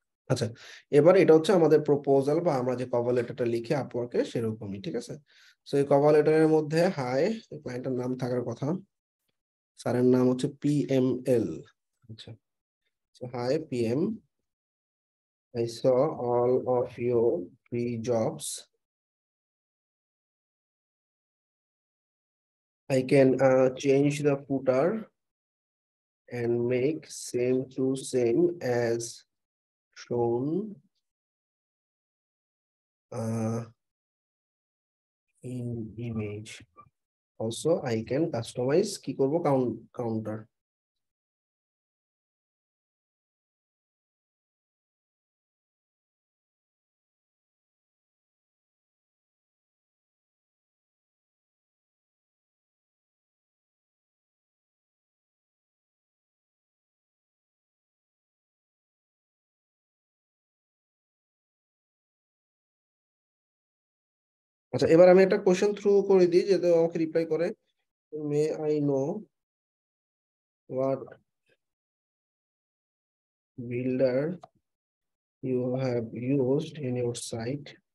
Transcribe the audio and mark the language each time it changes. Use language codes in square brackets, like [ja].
[bn] আচ্ছা, এবার এটা হচ্ছে আমাদের প্রপোজাল বা আমরা যে কভার লেটারটা লিখে আপওয়ার্কে সেরকমই, ঠিক আছে। সো এই কভার লেটারের মধ্যে হাই ক্লায়েন্টের নাম থাকার কথা, স্যারের নাম হচ্ছে PML। [en] আচ্ছা, so hi PM, I saw all of your free jobs, I can change the footer and make same to same as shown in image. Also, I can customize [bn] কি করব, [en] counter. [bn] আচ্ছা, এবার আমি একটা কোয়েশ্চেন থ্রু করে দিই যাতে আমাকে রিপ্লাই করে, [en] May I know what builder you have used in your site.